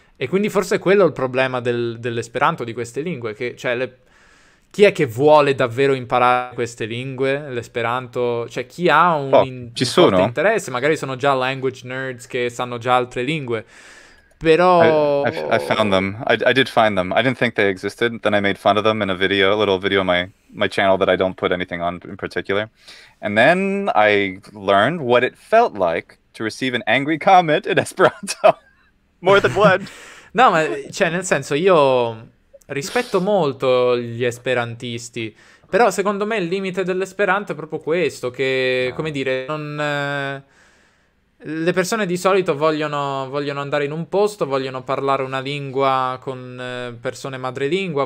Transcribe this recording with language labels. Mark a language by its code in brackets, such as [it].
[it] E quindi forse quello è il problema dell'esperanto di queste lingue, che, cioè, chi è che vuole davvero imparare queste lingue, l'esperanto? Cioè, chi ha Oh, un ci forte sono. interesse? Magari sono già language nerds che sanno già altre lingue, però... [en] I found them. I did find them. I didn't think they existed. Then I made fun of them in a video, a little video on my channel that I don't put anything on in particular. And then I learned what it felt like to receive an angry comment in Esperanto. More than one. [it] No, ma cioè, nel senso, io rispetto molto gli esperantisti, però secondo me il limite dell'esperanto è proprio questo, che, come dire, non, le persone di solito vogliono andare in un posto, vogliono parlare una lingua con persone madrelingua,